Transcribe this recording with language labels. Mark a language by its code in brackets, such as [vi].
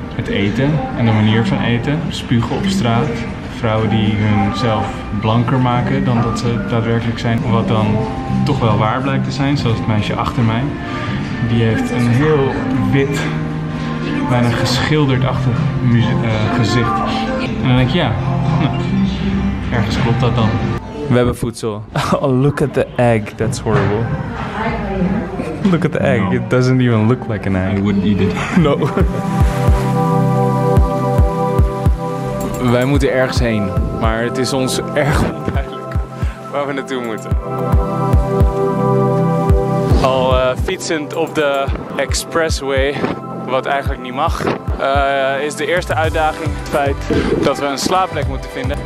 [nl] Het eten en de manier van eten. Spugen op straat. Vrouwen die hunzelf blanker maken dan dat ze daadwerkelijk zijn. Wat dan toch wel waar blijkt te zijn, zoals het meisje achter mij. Die heeft een heel wit, bijna geschilderd-achtig gezicht. En dan denk je, ja, nou, ergens klopt dat dan. We hebben voedsel. [en] Oh, look at the egg, that's horrible. Look at the egg, no. It doesn't even look like an egg. I wouldn't eat it. No. [nl] Wij moeten ergens heen, maar het is ons erg onduidelijk waar we naartoe moeten. Al fietsend op de expressway, wat eigenlijk niet mag, is de eerste uitdaging het feit dat we een slaapplek moeten vinden.